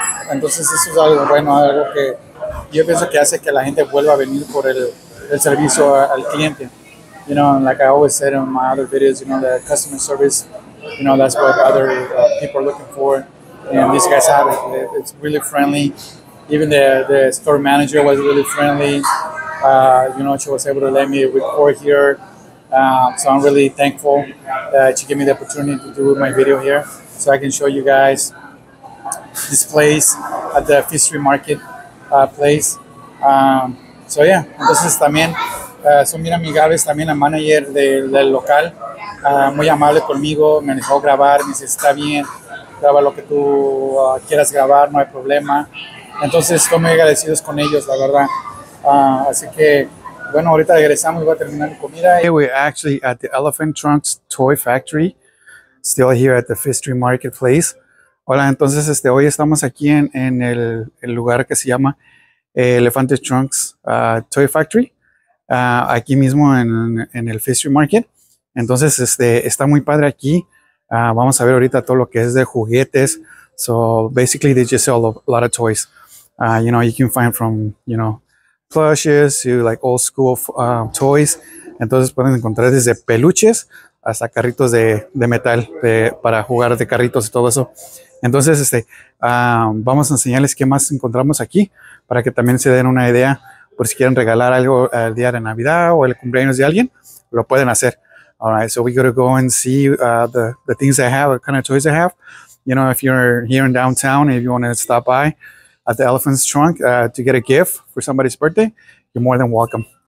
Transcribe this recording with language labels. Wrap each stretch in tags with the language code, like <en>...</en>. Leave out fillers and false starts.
<es>Entonces eso es algo bueno, algo que yo pienso que hace que la gente vuelva a venir por el servicio al cliente.</es> <en>You know, like I always said in my other videos, you know, the customer service, you know, that's what other people are looking for. And these guys have it. It's really friendly. Even the store manager was really friendly. You know, she was able to let me record here. So I'm really thankful that she gave me the opportunity to do my video here so I can show you guys this place at the Fifth Street Market place. So yeah,</en> <es>entonces también son bien amigables, también la manager del local, muy amable conmigo, me dejó grabar, me dice, está bien, graba lo que tú quieras grabar, no hay problema. Entonces estoy muy agradecido con ellos, la verdad. Así que bueno, ahorita regresamos y voy a terminar mi comida.</es> <en>Hey, we're actually at the Elephant Trunks Toy Factory, still here at the Fifth Street Market place.</en> <es>Hola, entonces hoy estamos aquí en el lugar que se llama Elephant Trunks Toy Factory, aquí mismo en el Fifth Street Market. Entonces está muy padre aquí. Vamos a ver ahorita todo lo que es de juguetes.</es> <en>So basically they just sell a lot of toys. You know, you can find from, you know, plushes to like old school toys.</en> <es>Entonces pueden encontrar desde peluches hasta carritos de metal para jugar de carritos y todo eso. Entonces vamos a enseñarles qué más encontramos aquí para que también se den una idea por si quieren regalar algo al día de Navidad o el cumpleaños de alguien, lo pueden hacer.</es> <en>Alright, so we gotta go and see the things I have, what kind of toys I have. You know, if you're here in downtown, if you want to stop by at the Elephant's Trunk to get a gift for somebody's birthday, you're more than welcome.</en>